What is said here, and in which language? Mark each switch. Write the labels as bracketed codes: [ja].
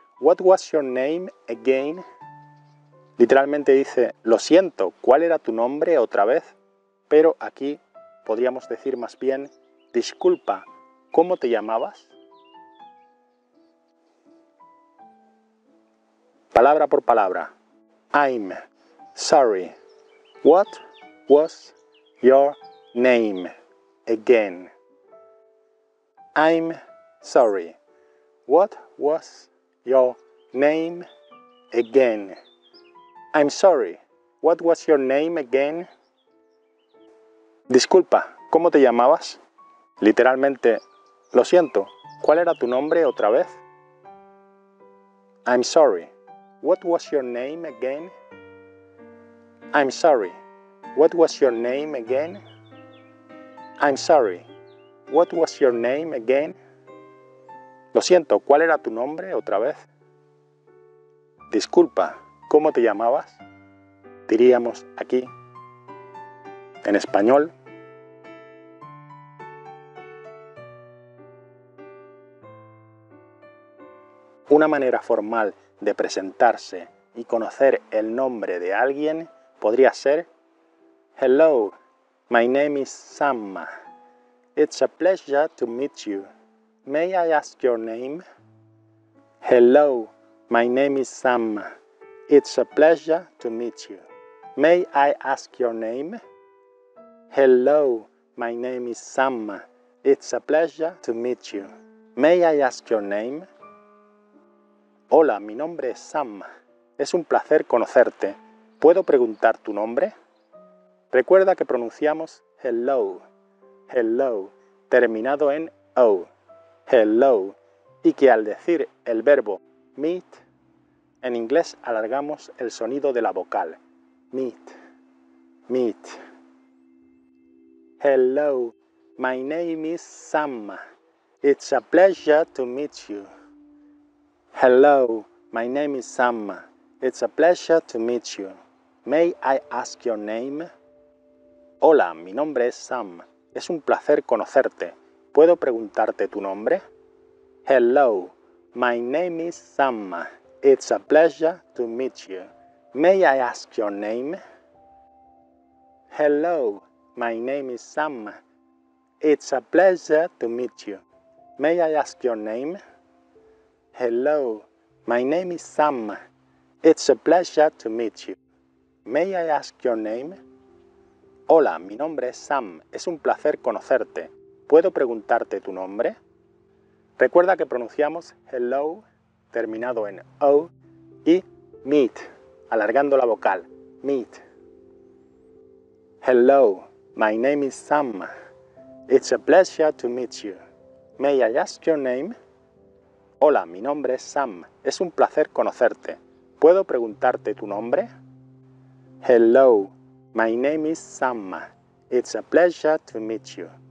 [en] What was your name again? [es] Literalmente dice: lo siento, ¿cuál era tu nombre otra vez? Pero aquí podríamos decir más bien: disculpa, ¿cómo te llamabas? Palabra por palabra. [en] I'm sorry. What was your name again? I'm sorry. What was your name again? I'm sorry. What was your name again? [es] Disculpa, ¿cómo te llamabas? Literalmente, lo siento, ¿cuál era tu nombre otra vez? [en] I'm sorry. What was your name again? I'm sorry. What was your name again? I'm sorry. What was your name again? [es] Lo siento, ¿cuál era tu nombre otra vez? Disculpa, ¿cómo te llamabas? Diríamos aquí, en español. Una manera formal de presentarse y conocer el nombre de alguien podría ser: [en] Hello, my name is Samma. It's a pleasure to meet you. May I ask your name? Hello, my name is Samma. It's a pleasure to meet you. May I ask your name? Hello, my name is Samma. It's a pleasure to meet you. May I ask your name? [es] Hola, mi nombre es Sam. Es un placer conocerte. ¿Puedo preguntar tu nombre? Recuerda que pronunciamos hello, hello, terminado en o, hello, y que al decir el verbo meet, en inglés alargamos el sonido de la vocal, meet, meet. [en] Hello, my name is Sam. It's a pleasure to meet you. Hello, my name is Sam. It's a pleasure to meet you. May I ask your name? [es] Hola, mi nombre es Sam. Es un placer conocerte. ¿Puedo preguntarte tu nombre? [en] Hello, my name is Sam. It's a pleasure to meet you. May I ask your name? Hello, my name is Sam. It's a pleasure to meet you. May I ask your name? Hello, my name is Sam. It's a pleasure to meet you. May I ask your name? [es] Hola, mi nombre es Sam. Es un placer conocerte. ¿Puedo preguntarte tu nombre? Recuerda que pronunciamos hello, terminado en o, y meet, alargando la vocal, meet. [en] Hello, my name is Sam. It's a pleasure to meet you. May I ask your name? [es] Hola, mi nombre es Sam. Es un placer conocerte. ¿Puedo preguntarte tu nombre? [en] Hello, my name is Sam. It's a pleasure to meet you.